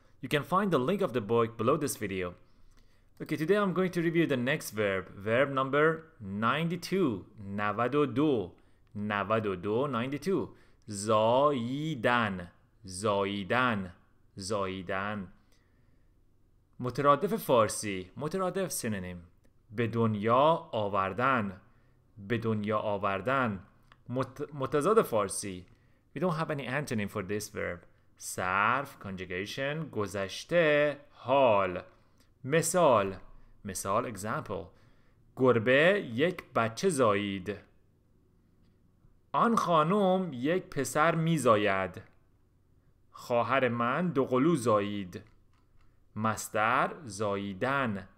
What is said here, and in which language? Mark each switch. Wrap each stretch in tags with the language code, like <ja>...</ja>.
<en>You can find the link of the book below this video. Okay, today I'm going to review the next verb, verb number 92, 92, 92, 92,</en> <fa>زاییدن, زاییدن, زاییدن. مترادف فارسی, مترادف synonym. به دنیا آوردن, به دنیا آوردن. متضاد فارسی,</fa> <en>we don't have any antonym for this verb.</en> <fa>صرف, conjugation, گذشته, حال. مثال, مثال, example. گربه یک بچه زایید. آن خانم یک پسر می زاید. خواهر من دوقلو زایید. مصدر زاییدن.</fa>